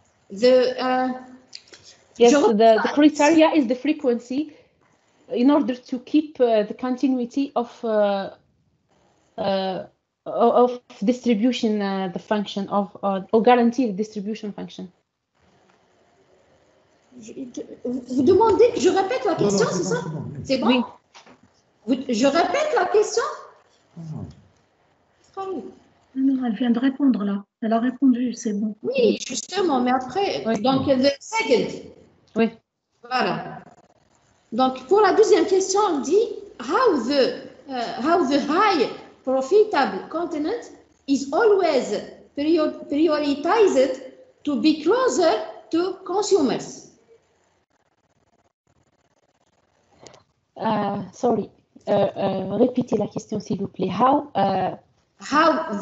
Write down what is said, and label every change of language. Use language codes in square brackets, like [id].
[en] The criteria is the frequency in order to keep the continuity of distribution, the function of, or guarantee the distribution function. [fr] Vous demandez que je répète la question, non, c'est bon, ça? C'est bon? Oui. Je répète la question? Non, elle vient de répondre là. Elle a répondu, c'est bon. Oui, justement, mais après, oui. Donc, [en] the second. [fr] Oui. Voilà. Donc, pour la deuxième question, on dit, [en] how the high profitable continent is always prioritized to be closer to consumers. Sorry, [fr] répétez la question s'il vous plaît. [en] How